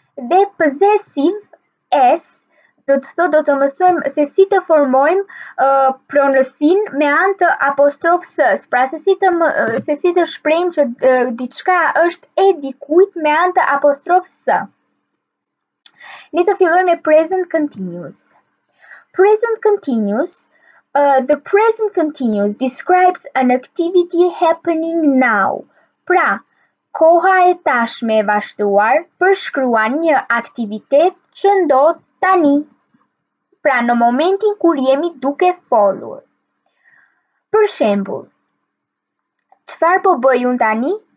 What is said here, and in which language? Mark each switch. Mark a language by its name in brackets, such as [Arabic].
[Albanian] Dhe possessive s do të mësojmë se si të formojmë pronësin me anë të apostrofës, pra se si të shprehim që diçka është e dikujt me anë të apostrofës. Le të fillojmë me present continuous. [English] Present continuous, the present continuous describes an activity happening now. [Albanian] Pra koha e tashme e vazhduar përshkruan një aktivitet që ndodh tani, pra në momentin kur jemi duke folur. Për shembull, çfarë po bëj unë tani?